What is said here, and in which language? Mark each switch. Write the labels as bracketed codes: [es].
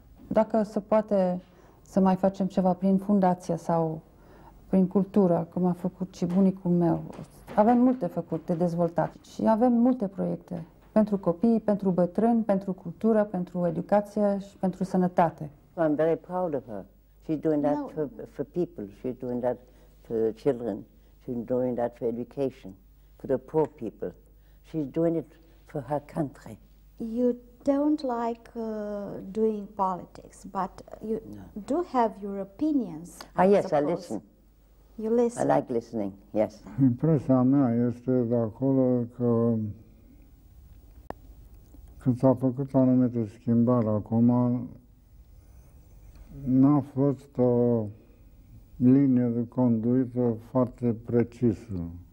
[ro] Dacă se poate să mai facem ceva prin fundație sau prin cultură, cum a făcut și bunicul meu, avem multe făcute de dezvoltat și avem multe proiecte pentru copii, pentru bătrâni, pentru cultură, pentru educație și pentru sănătate. [en] I'm very proud of her. She's doing that for people, she's doing that for children, she's doing that for education, for the poor people. She's doing it for her country. You don't like doing politics, but you do have your opinions. Ah, yes, I listen. You listen. I like listening, yes. [ro] Impresia mea este de acolo că când s-a făcut anumite schimbări acum, n-a fost o linie de conduită foarte precisă.